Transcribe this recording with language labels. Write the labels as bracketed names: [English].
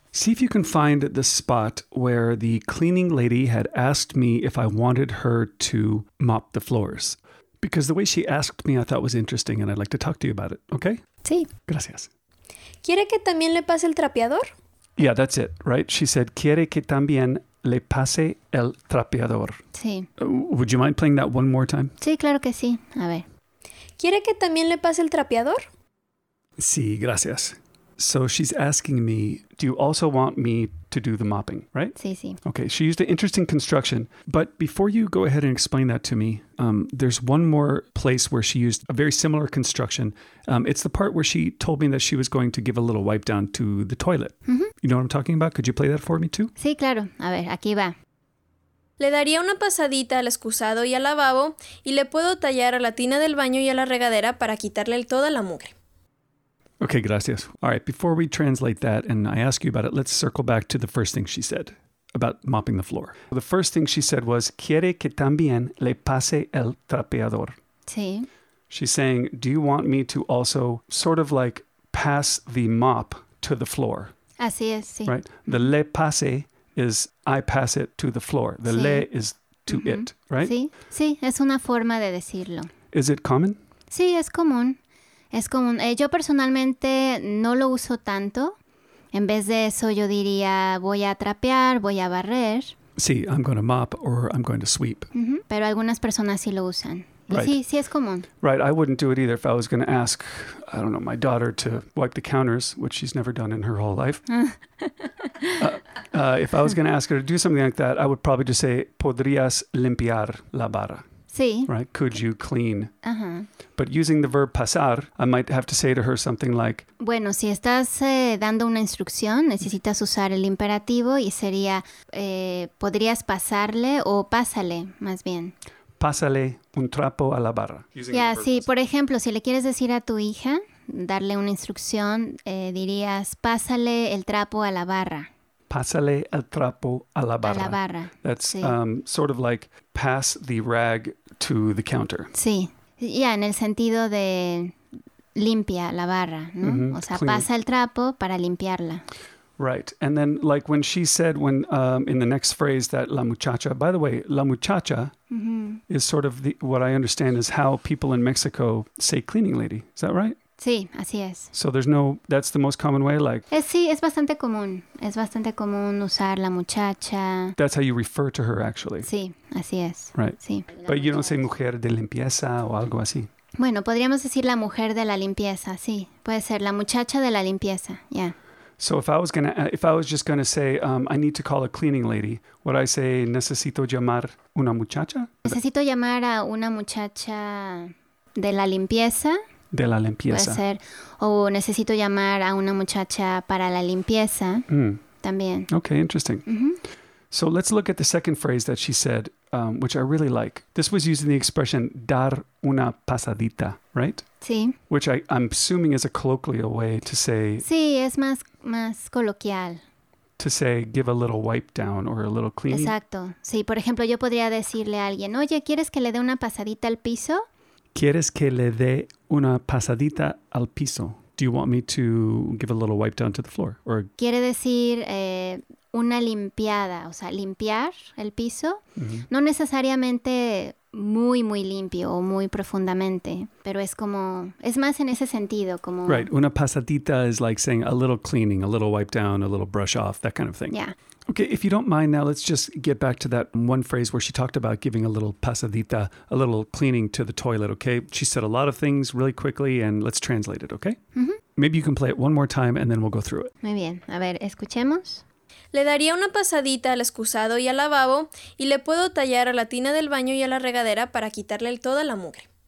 [English] See if you can find the spot where the cleaning lady had asked me if I wanted her to mop the floors. Because the way she asked me, I thought was interesting, and I'd like to talk to you about it, okay? [Spanish] Sí. Gracias. ¿Quiere que también le pase el trapeador? [English] Yeah, that's it, right? She said, [Spanish] ¿quiere que también le pase el trapeador? Sí. [English] Would you mind playing that one more time? [Spanish] Sí, claro que sí. A ver. ¿Quiere que también le pase el trapeador? Sí, gracias. [English] So she's asking me, do you also want me to do the mopping, right? [Spanish] Sí, sí. [English] Okay, she used an interesting construction. But before you go ahead and explain that to me, there's one more place where she used a very similar construction. It's the part where she told me that she was going to give a little wipe down to the toilet. Mm-hmm. You know what I'm talking about? Could you play that for me too? [Spanish] Sí, claro. A ver, aquí va. Le daría una pasadita al excusado y al lavabo y le puedo tallar a la tina del baño y a la regadera para quitarle toda la mugre. Okay, gracias. [English] All right, before we translate that and I ask you about it, let's circle back to the first thing she said about mopping the floor. The first thing she said was, [Spanish] ¿quiere que también le pase el trapeador? Sí. [English] She's saying, do you want me to also sort of like pass the mop to the floor? [Spanish] Así es, sí. [English] Right? The le pase is I pass it to the floor. The sí. Le is to mm-hmm. it, right? [Spanish] Sí, sí, es una forma de decirlo. [English] Is it common? [Spanish] Sí, es común. Es común. Yo personalmente no lo uso tanto, En vez de eso, yo diría, voy a trapear, voy a barrer. [English] Sí, I'm going to mop or I'm going to sweep. [Spanish] Uh-huh. Pero algunas personas sí lo usan. Right. Sí, sí es común. [English] Right, I wouldn't do it either if I was going to ask, I don't know, my daughter to wipe the counters, which she's never done in her whole life. if I was going to ask her to do something like that, I would probably just say, [Spanish] ¿podrías limpiar la barra? Sí. [English] Right, could you clean? Uh-huh. But using the verb pasar, I might have to say to her something like, [Spanish] bueno, si estás dando una instrucción, necesitas usar el imperativo y sería, ¿podrías pasarle o pásale, más bien? Pásale un trapo a la barra. Yeah, sí, por ejemplo, si le quieres decir a tu hija, darle una instrucción, dirías, pásale el trapo a la barra. Pásale el trapo a la barra. A la barra. [English] That's [Spanish] sí. [English] Sort of like pass the rag to the counter. [Spanish] Sí, ya, yeah, en el sentido de limpia la barra, ¿no? Mm-hmm. O sea, clean. Pasa el trapo para limpiarla. [English] Right. And then like when she said when in the next phrase that la muchacha, by the way, la muchacha mm-hmm. is sort of the, what I understand is how people in Mexico say cleaning lady. Is that right? [Spanish] Sí, así es. [English] So there's no, that's the most common way like? [Spanish] Sí, es bastante común. Es bastante común usar la muchacha. [English] That's how you refer to her actually. [Spanish] Sí, así es. [English] Right. [Spanish] Sí. [English] But you don't say [Spanish] mujer de limpieza o algo así. Bueno, podríamos decir la mujer de la limpieza, sí. Puede ser la muchacha de la limpieza, yeah. [English] So if I was just going to say, I need to call a cleaning lady, would I say, [Spanish] necesito llamar una muchacha? Necesito llamar a una muchacha de la limpieza. De la limpieza. Puede ser. O necesito llamar a una muchacha para la limpieza. Mm. También. [English] Okay, interesting. Mm-hmm. So let's look at the second phrase that she said, which I really like. This was using the expression dar una pasadita, right? [Spanish] Sí. [English] Which I'm assuming is a colloquial way to say... [Spanish] Sí, es más coloquial. [English] To say give a little wipe down or a little cleaning. [Spanish] Exacto. Sí, por ejemplo, yo podría decirle a alguien, oye, ¿quieres que le dé una pasadita al piso? ¿Quieres que le dé una pasadita al piso? [English] Do you want me to give a little wipe down to the floor? Or [Spanish] quiere decir... una limpiada, o sea, limpiar el piso, mm-hmm. no necesariamente muy, muy limpio o muy profundamente, pero es como, es más en ese sentido, como... [English] Right, una pasadita is like saying a little cleaning, a little wipe down, a little brush off, that kind of thing. Yeah. Okay, if you don't mind now, let's just get back to that one phrase where she talked about giving a little pasadita, a little cleaning to the toilet, okay? She said a lot of things really quickly, and let's translate it, okay? Mm-hmm. Maybe you can play it one more time, and then we'll go through it. [Spanish] Muy bien, a ver, escuchemos... Le daría una pasadita al excusado y al lavabo y le puedo tallar a la tina del baño y a la regadera para quitarle toda la mugre.